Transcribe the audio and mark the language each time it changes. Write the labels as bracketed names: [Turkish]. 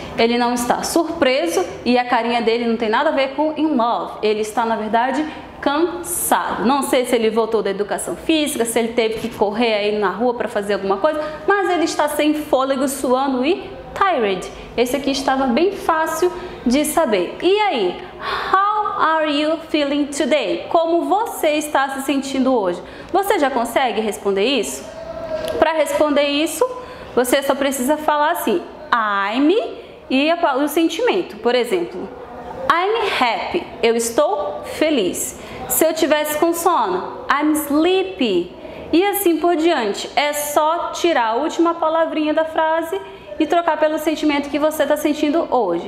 [Portuguese] Ele não está surpreso e a carinha dele não tem nada a ver com in love. Ele está, na verdade, cansado. Não sei se ele voltou da educação física, se ele teve que correr aí na rua para fazer alguma coisa, mas ele está sem fôlego, suando e tired. Esse aqui estava bem fácil de saber. E aí? [English] How are you feeling today? [Portuguese] Como você está se sentindo hoje? Você já consegue responder isso? Para responder isso, você só precisa falar assim, I'm, e o sentimento. Por exemplo, [English] I'm happy. [Portuguese] Eu estou feliz. Se eu tivesse com sono, [English] I'm sleepy. [Portuguese] E assim por diante. É só tirar a última palavrinha da frase e trocar pelo sentimento que você está sentindo hoje.